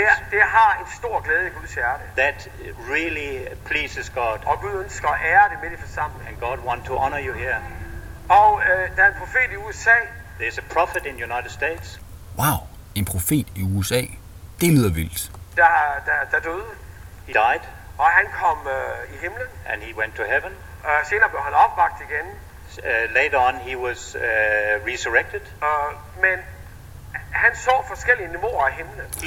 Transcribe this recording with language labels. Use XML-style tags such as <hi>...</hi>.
<da>Det har en stor glæde i Guds hjerte.</da> <en>That really pleases God.</en> <da>Og Gud ønsker at ære det midt i forsamlingen.</da> <en>And God want to honor you here.</en> <da>Og der er en profet i USA.</da> <en>There's a prophet in United States.</en> <da>Wow, en profet i USA. Det lyder vildt. Der døde.</da> <en>He died.</en> <da>Og han kom i himlen.</da> <en>And he went to heaven.</en> <da>Senere blev han opvagt igen.</da> <en>Later on he was resurrected.</en> <da>Men han så forskellige niveauer af himlen.</da>